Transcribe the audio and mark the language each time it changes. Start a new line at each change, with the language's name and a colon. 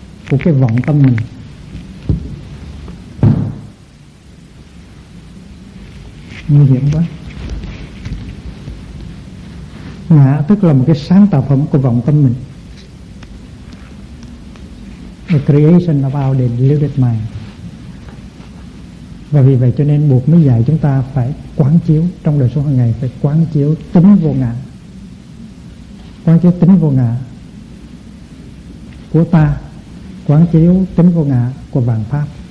Vietnamese: của cái vọng tâm mình. Nguy hiểm quá. Ngã tức là một cái sáng tạo phẩm của vọng tâm mình.
English: The creation of our deluded mind.
Vietnamese: Và vì vậy cho nên Bụt mới dạy chúng ta phải quán chiếu trong đời sống hàng ngày, phải quán chiếu tính vô ngã. Quán chiếu tính vô ngã của ta, quán chiếu tính vô ngã của vạn pháp.